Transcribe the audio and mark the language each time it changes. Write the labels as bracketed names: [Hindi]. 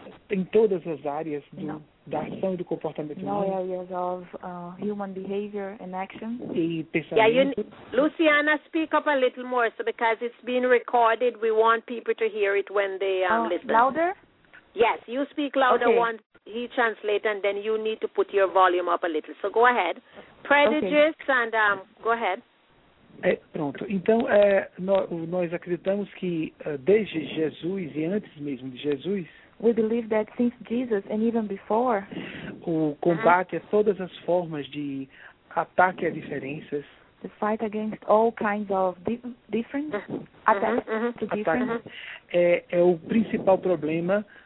[Portuguese] Em todas as áreas da ação e do comportamento humano. [English] No areas of human behavior and action. [Portuguese] E pensamento. [English] Yeah, Luciana, speak up a little more, so because it's being recorded, we want people to hear it when they listen. Louder. Yes, you speak louder. Okay. Once he translates, and then you need to put your volume up a little. So go ahead. Prejudice, okay. And go ahead. [Portuguese] Pronto. Então, nós acreditamos que desde Jesus e antes mesmo de Jesus, [English] we believe that since Jesus and even before, [Portuguese] o combate a todas as formas de ataque a diferenças, [English] the fight against all kinds of different attacks to different, [Portuguese] é o principal problema,